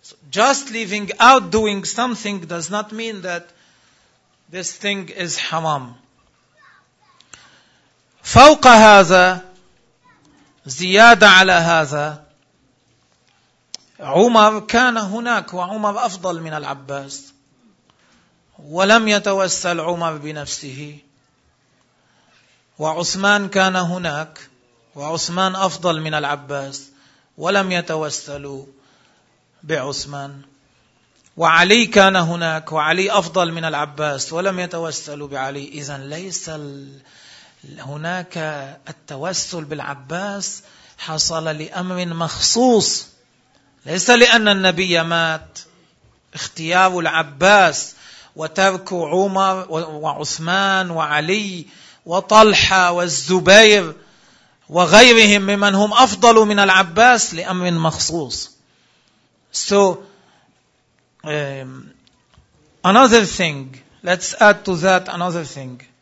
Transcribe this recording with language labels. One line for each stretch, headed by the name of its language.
English: Just leaving out doing something does not mean that this thing is haram.
Arabic: فوق هذا زيادة على هذا عمر كان هناك وعمر أفضل من العباس ولم يتوسل عمر بنفسه وعثمان كان هناك وعثمان أفضل من العباس ولم يتوسلوا بعثمان وعلي كان هناك وعلي أفضل من العباس ولم يتوسلوا بعلي. إذن ليس هناك التوسل بالعباس حصل لأمر مخصوص, ليس لأن النبي مات. اختيار العباس وترك عمر وعثمان وعلي وطلحة والزبير وغيرهم ممن هم أفضل من العباس لأمر مخصوص.
English: So another thing, let's add to that another thing.